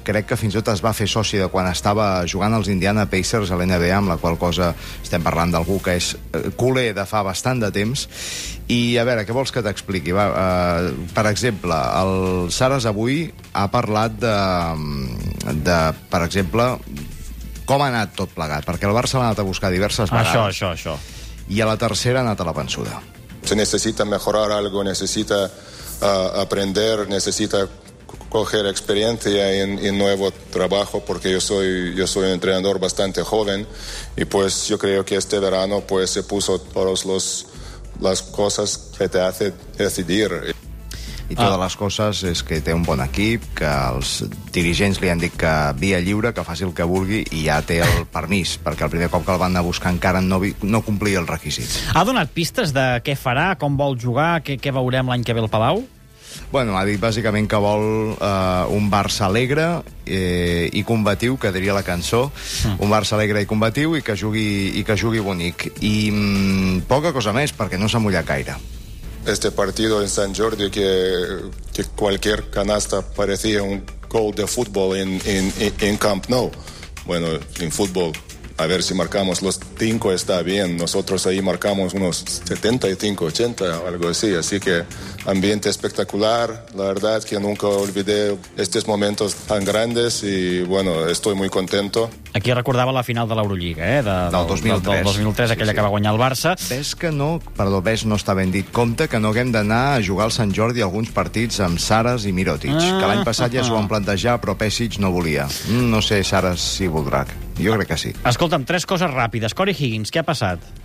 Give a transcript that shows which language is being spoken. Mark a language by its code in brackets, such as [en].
[ca] Crec que fins i tot es va fer soci de quan estava jugant als Indiana Pacers a l'NBA, amb la qual cosa estem parlant d'algú que és culer de fa bastant de temps. I a veure, què vols que t'expliqui? Per exemple, el Sares avui ha parlat de per exemple... Com ha anat tot plegat? Perquè el Barça l'ha anat a buscar diverses vegades. Això. I a la tercera ha anat a la pensuda. [es] Se necessita mejorar algo, necessita aprender, necessita coger experiencia en nuevo trabajo, porque yo soy un entrenador bastante joven, y pues yo creo que este verano pues se puso todas las cosas que te hace decidir. [ca] I totes les coses és que té un bon equip, que els dirigents li han dit que via lliure, que faci el que vulgui, i ja té el permís, perquè el primer cop que el van anar a buscar encara no complia els requisits. Ha donat pistes de què farà, com vol jugar, què veurem l'any que ve al Palau? Bueno, ha dit bàsicament que vol un Barça alegre i combatiu, que diria la cançó, un Barça alegre i combatiu i que jugui bonic. I poca cosa més, perquè no s'ha mullat gaire. [es] Este partido en San Jordi que cualquier canasta parecía un gol de fútbol en Camp Nou. Bueno, en fútbol, a ver si marcamos los 5 está bien. Nosotros ahí marcamos unos 75, 80, algo así. Así que ambiente espectacular. La verdad que nunca olvidé estos momentos tan grandes y bueno, estoy muy contento. [ca] Aquí recordava la final de l'Eurolliga, eh? Del 2003. Del 2003, aquella que va guanyar el Barça. Ves que no, perdó, ves no està ben dit. Compte que no haguem d'anar a jugar al Sant Jordi alguns partits amb Saras i Mirotic, que l'any passat ja s'ho van plantejar, però Pesic no volia. No sé, Saras, si voldrà. Jo crec que sí. Escolta'm, tres coses ràpides. Corey Higgins, què ha passat?